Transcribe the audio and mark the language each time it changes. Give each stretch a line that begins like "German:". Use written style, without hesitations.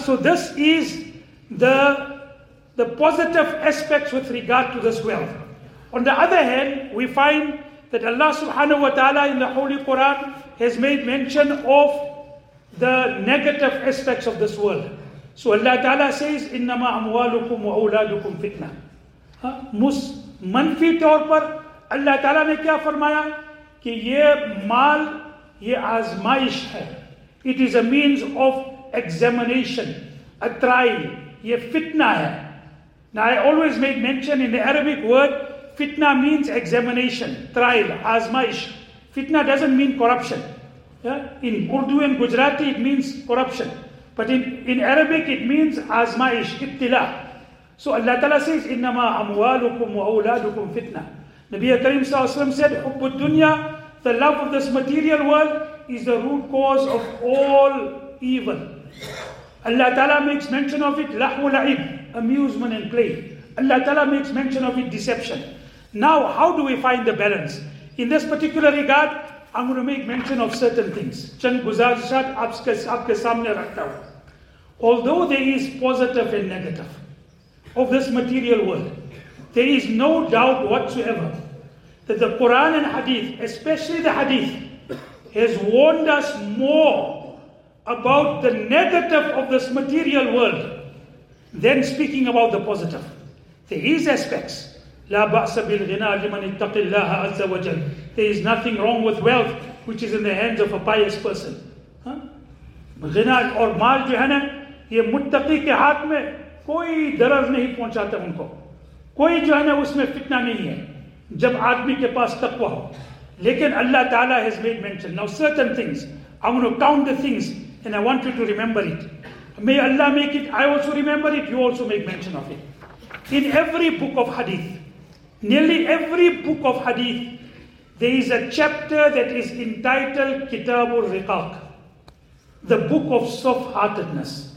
English: So this is the positive aspects with regard to this wealth. On the other hand, we find that Allah subhanahu wa ta'ala in the Holy Quran has made mention of the negative aspects of this world. So Allah ta'ala says,
Arabic: إِنَّمَا أَمْوَالُكُمْ وَأَوْلَادُكُمْ فِتْنَةً.
Urdu: منفی طور پر اللہ تعالیٰ نے کیا فرمایا کہ یہ مال یہ آزمائش ہے.
English: It is a means of examination, a trial.
Urdu: یہ فتنہ ہے.
English: Now I always make mention in the Arabic word, fitna means examination, trial, آزمائش. Fitna doesn't mean corruption. Yeah? In Urdu and Gujarati it means corruption. But in Arabic it means
Urdu: آزمائش, ابتلاح.
English: So Allah Ta'ala says,
Arabic: إِنَّمَا أَمْوَالُكُمْ وَأَوْلَادُكُمْ فِتْنَةً.
English: Nabi Kareem Sallallahu Alaihi Wasallam said,
Arabic: حُبُّ الدُّنْيَا,
English: the love of this material world is the root cause of all evil. Allah Ta'ala makes mention of it,
Arabic: لَحْوُ لَعِبْ,
English: amusement and play. Allah Ta'ala makes mention of it, deception. Now, how do we find the balance? In this particular regard, I'm going to make mention of certain things. چند گزارشات آپ کے سامنے رکھتا ہوں. Although there is positive and negative of this material world, there is no doubt whatsoever that the Quran and Hadith, especially the Hadith, has warned us more about the negative of this material world than speaking about the positive. There is aspects.
Arabic: لَا بَأْسَ بِالْغِنَى لِمَنْ اتَّقِ اللَّهَ عَزَّ وَجَلَّ.
English: There is nothing wrong with wealth which is in the hands of a pious person.
Urdu: غنا اور مال جو ہے نا یہ متقی کے ہاتھ میں کوئی درد نہیں پہنچاتا ان کو, کوئی جو ہے نا اس میں فتنہ نہیں ہے جب آدمی کے پاس تقویٰ ہو. لیکن اللہ تعالیٰ
English: has made mention. Now certain things, I'm going to count the things and I want you to remember it. May Allah make it, I also remember it, you also make mention of it. In every book of hadith, nearly every book of hadith, there is a chapter that is entitled Kitabul Riqaq, the book of soft-heartedness.